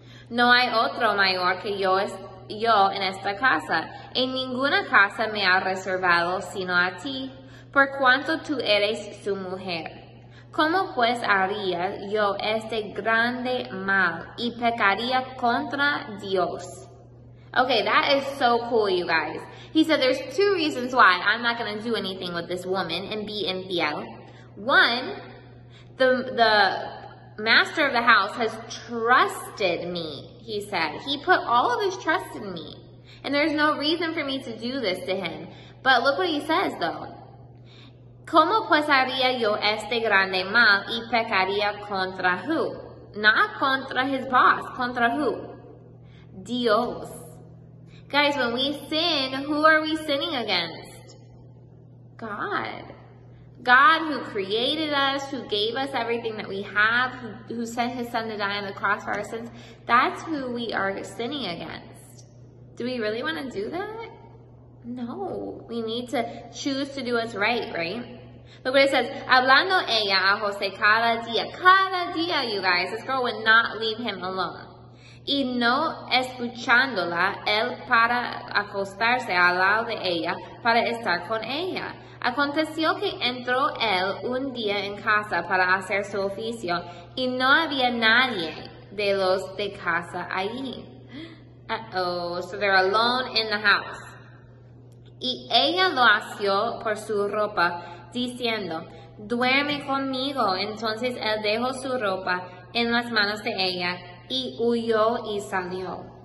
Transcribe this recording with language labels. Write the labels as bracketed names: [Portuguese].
[Spanish] No hay otro mayor que yo en esta casa. En ninguna casa me ha reservado sino a ti, por cuanto tú eres su mujer. ¿Cómo pues haría yo este grande mal y pecaría contra Dios? [English] Okay, that is so cool, you guys. He said there's two reasons why I'm not going to do anything with this woman and be [Spanish] infiel. [English] One, the master of the house has trusted me, he said. He put all of his trust in me. And there's no reason for me to do this to him. But look what he says, though. [Spanish] ¿Cómo pues haría yo este grande mal y pecaría contra [English] who? Not [Spanish] contra [English] his boss. [Spanish] Contra [English] who? [Spanish] Dios. [English] Guys, when we sin, who are we sinning against? God. God who created us, who gave us everything that we have, who sent his son to die on the cross for our sins. That's who we are sinning against. Do we really want to do that? No. We need to choose to do what's right, right? Look what it says, [Spanish] hablando ella a José cada día, [English] you guys, this girl would not leave him alone. [Spanish] Y no escuchándola, él para acostarse al lado de ella, para estar con ella. Aconteció que entró él un día en casa para hacer su oficio, y no había nadie de los de casa allí. [English] Uh-oh, so they're alone in the house. [Spanish] Y ella lo asió por su ropa, diciendo, duerme conmigo. Entonces él dejó su ropa en las manos de ella y huyó y salió.